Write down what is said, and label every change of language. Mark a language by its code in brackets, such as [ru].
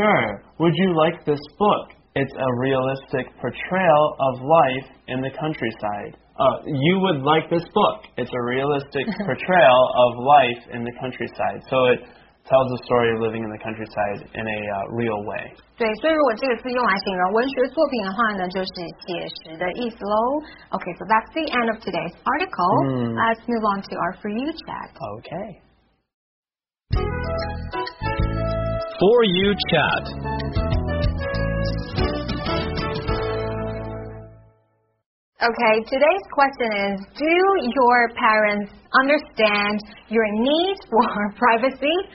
[en] Sure. Would you like this book? It's a realistic portrayal of life in the countryside. You would like this book. It's a realistic portrayal of life in the countryside. So it tells the story of living in the countryside in a real way. [zh] 对，所以如果这个词用来形容文学作品的话呢，就是写实的意思喽。 [en] Okay, so that's the end of today's article. Let's move on to our For You Chat. Okay. For You Chat. Okay, today's question is, do your parents understand your need for privacy?